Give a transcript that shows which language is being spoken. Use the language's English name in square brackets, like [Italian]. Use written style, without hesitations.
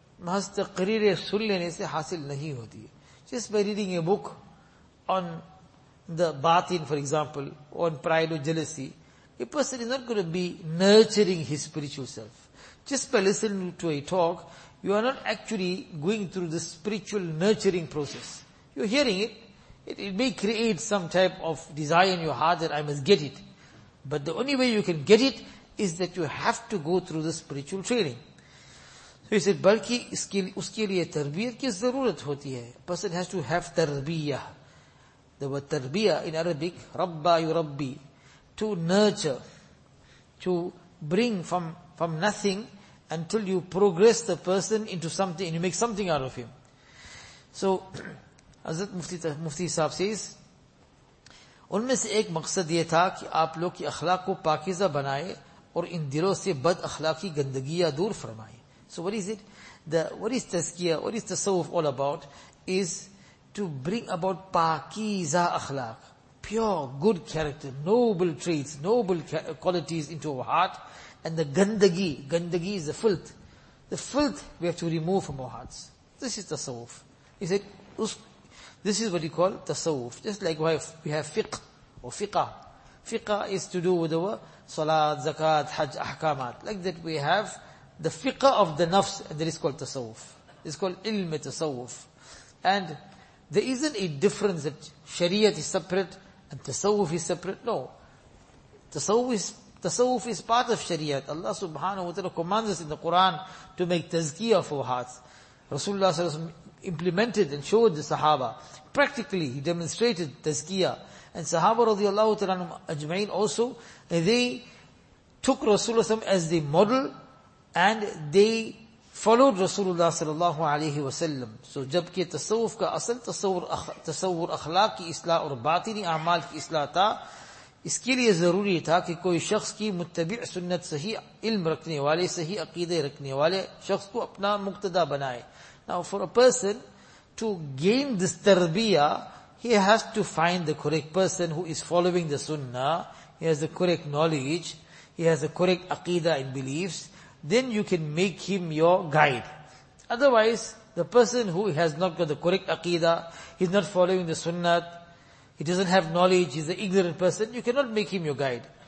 [Urdu] Mahas taqreere sun lene se hasil nahi hoti. [English] Just by reading a book on the batin, for example, on pride or jealousy, a person is not going to be nurturing his spiritual self. Just by listening to a talk, you are not actually going through the spiritual nurturing process. You're hearing it. It may create some type of desire in your heart that I must get it. But the only way you can get it is that you have to go through the spiritual training. So he said, [Urdu] بلکہ اس کے لئے تربیت کی ضرورت ہوتی ہے. [English] Person has to have تربیہ. The word تربیہ in Arabic, ربا يربی, to nurture, to bring from nothing until you progress the person into something and you make something out of him. [Urdu] So, حضرت مفتی صاحب says, ان میں سے ایک مقصد یہ تھا کہ آپ لوگ کی اخلاق کو پاکیزہ بنائے اور ان دلوں سے بد اخلاقی گندگیاں دور فرمائیں. [English] So what is it? What is tazkiyah? What is tasawuf all about? Is to bring about pakiza akhlaq, pure good character, noble traits, noble qualities into our heart, and the gandagi. Gandagi is the filth. The filth we have to remove from our hearts. This is tasawuf. He said, this is what he called tasawuf. Just like we have fiqh or fiqah. Fiqah is to do with our salat, zakat, hajj, ahkamat. Like that we have the fiqh of the nafs, and that is called tasawuf. It's called ilm tasawuf. And there isn't a difference that shariat is separate and tasawuf is separate. No. Tasawuf is part of shariat. Allah subhanahu wa ta'ala commands us in the Quran to make tazkiyah of our hearts. Rasulullah sallallahu alayhi wa sallam implemented and showed the sahaba. Practically, he demonstrated tazkiyah. And sahaba radiallahu ta'ala ajma'in also, they took Rasulullah sallallahu alayhi wa sallam as the model. And they followed Rasulullah sallallahu alayhi wa sallam. [Urdu] So, جبکہ تصوف کا اصل تصور اخلاق کی اصلاح اور باطنی اعمال کی اصلاح تھا, اس کے لئے ضروری تھا کہ کوئی شخص کی متبع سنت, صحیح علم رکھنے والے, صحیح عقیدے رکھنے والے شخص کو اپنا مقتدہ بنائے. [English] Now, for a person to gain this تربیہ, he has to find the correct person who is following the sunnah, he has the correct knowledge, he has the correct عقیدہ and beliefs, then you can make him your guide. Otherwise, the person who has not got the correct aqidah, he's not following the sunnat, he doesn't have knowledge, he's an ignorant person, you cannot make him your guide.